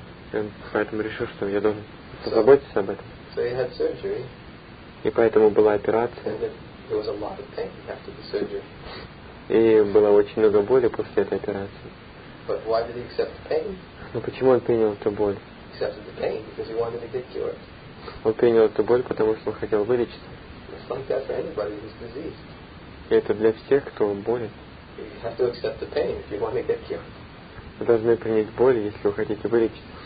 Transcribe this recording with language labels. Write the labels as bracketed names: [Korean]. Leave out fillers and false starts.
[Russian] Он поэтому решил, что я должен позаботиться об этом. [English] So he had surgery. [Russian] И поэтому была операция. [English] There was a lot of pain after the surgery. [Russian] И было очень много боли после этой операции. [English] But why did he accept the pain? [Russian] Но почему он принял эту боль? [English] He accepted the pain because he wanted to get cured. [Russian] Он принял эту боль, потому что он хотел вылечиться. [English] It's like that for anybody who's diseased. [Russian] И это для всех, кто болен. [English] You have to accept the pain if you want to get cured. [Russian] Вы должны принять боль, если вы хотите вылечиться.